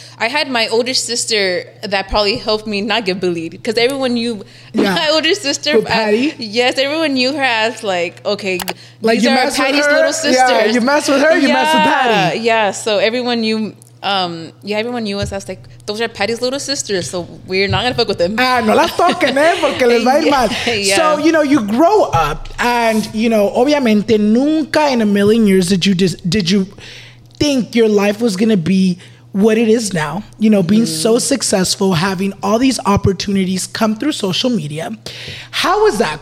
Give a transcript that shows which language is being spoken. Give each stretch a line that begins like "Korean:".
English: I had my older sister that probably helped me not get bullied, because everyone knew my older sister. For Patty? Yes, everyone knew her as like, okay, like, these you are mess Patty's with her, little sisters. Yeah, you mess with her, you mess with Patty. Yeah, so everyone knew Yeah, everyone knew us as like, those are Patty's little sisters, so we're not gonna fuck with them.
Spanish: Ah, no las toquen, porque les va a ir mal.
English: Yeah. So, you know, you grow up, and, you know,
Spanish: obviamente,
English: nunca in a million years did you think your life was gonna be what it is now, you know, being so successful, having all these opportunities come through social media. How was that?